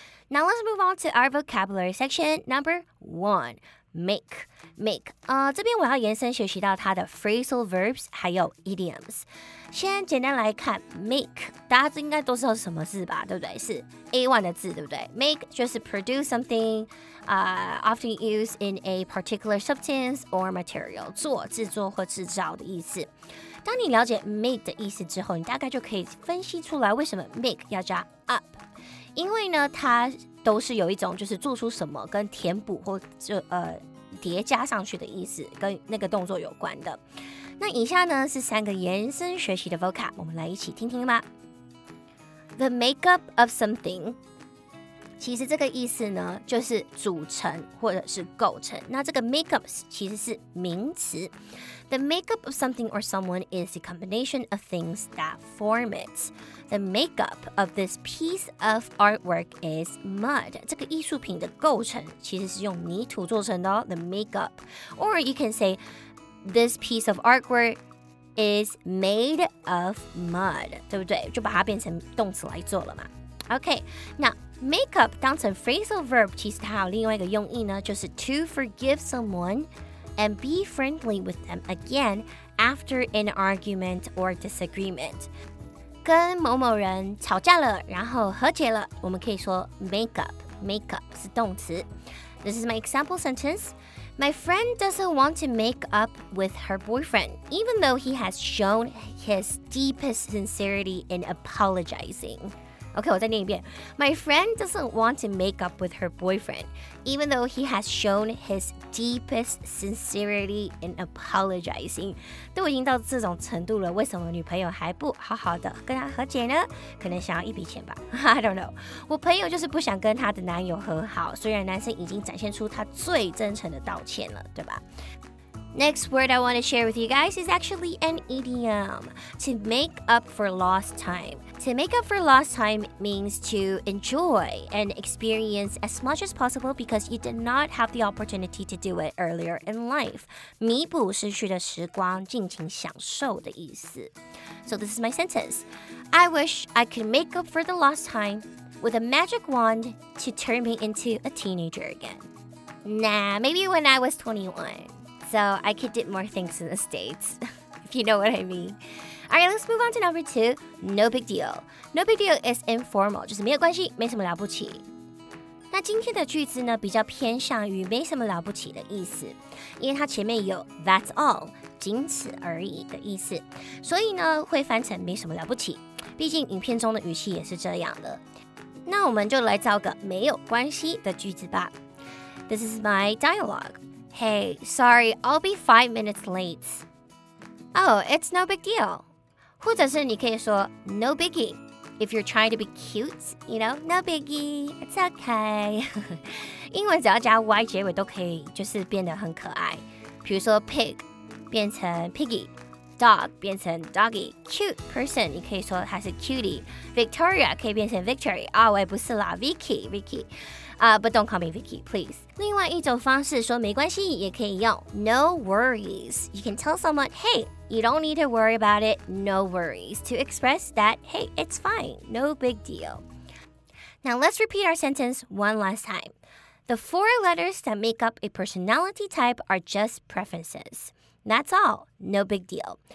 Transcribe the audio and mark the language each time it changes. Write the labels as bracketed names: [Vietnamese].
[English] Now let's move on to our vocabulary section number one. Make. [Chinese] 这边我要延伸学习到它的 phrasal verbs 还有 idioms。先简单来看 make， 大家应该都知道什么字吧，对不对？是 A1 的字，对不对 ？Make 就是 [English] produce something， often used in a particular substance or material， [Chinese] 做、制作或制造的意思。当你了解 make 的意思之后，你大概就可以分析出来为什么 make 要加 up， 因为呢，它都是有一种就是做出什么跟填补或就叠加上去的意思，跟那个动作有关的。那以下呢是三个延伸学习的 vocab， 我们来一起听听吧。 [English] The makeup of something， [Chinese] 其实这个意思呢就是组成或者是构成。那这个 makeup 其实是名词。 [English] The makeup of something or someone is the combination of things that form it. The makeup of this piece of artwork is mud. [Chinese] 这个艺术品的构成其实是用泥土做成的哦。 [English] The makeup. Or you can say, this piece of artwork is made of mud. [Chinese] 对不对？就把它变成动词来做了嘛。 Okay, now makeup 当成 phrasal verb 其实它还有另外一个用意呢，就是 [English] to forgive someone. And be friendly with them again after an argument or disagreement. [Chinese] 跟某某人吵架了，然后和解了，我们可以说 make up. Make up 是动词。 [English] This is my example sentence. My friend doesn't want to make up with her boyfriend, even though he has shown his deepest sincerity in apologizing. [Chinese] Okay, 我再念一遍。 [English] My friend doesn't want to make up with her boyfriend, even though he has shown his deepest sincerity in apologizing. [Chinese] 都已经到这种程度了，为什么女朋友还不好好的跟他和解呢？可能想要一笔钱吧。 [English] I don't know. [Chinese] 我朋友就是不想跟她的男友和好，虽然男生已经展现出他最真诚的道歉了，对吧？ [English] Next word I want to share with you guys is actually an idiom. To make up for lost time. To make up for lost time means to enjoy and experience as much as possible because you did not have the opportunity to do it earlier in life. [Chinese] 弥补失去的时光，尽情享受的意思。 [English] So this is my sentence. I wish I could make up for the lost time with a magic wand to turn me into a teenager again. Nah, maybe when I was 21. So I could do more things in the States, if you know what I mean. All right, let's move on to number two, no big deal. [Chinese] No big deal is informal, 就是没有关系，没什么了不起。那今天的句子呢，比较偏向于没什么了不起的意思，因为它前面有 [English] that's all, [Chinese] 仅此而已的意思，所以呢，会翻成没什么了不起。毕竟影片中的语气也是这样的。那我们就来造个没有关系的句子吧。 [English] This is my dialogue. Hey, sorry, I'll be 5 minutes late. Oh, it's no big deal. [Chinese] 或者是你可以说 no biggie. [English] If you're trying to be cute, you know, no biggie, it's okay. [Chinese] 英文只要加 y 结尾都可以就是变得很可爱。比如说 pig 变成 piggy, dog 变成 doggy, [English] cute person [Chinese] 你可以说他是 cutie, Victoria 可以变成 Victory, 啊、哦、我也不是啦 Vicky. [English] But don't call me Vicky, please. [Chinese] 另外一种方式说没关系也可以用 No worries. [English] You can tell someone, hey, you don't need to worry about it. No worries. To express that, hey, it's fine. No big deal. Now let's repeat our sentence one last time. The four letters that make up a personality type are just preferences. That's all. No big deal.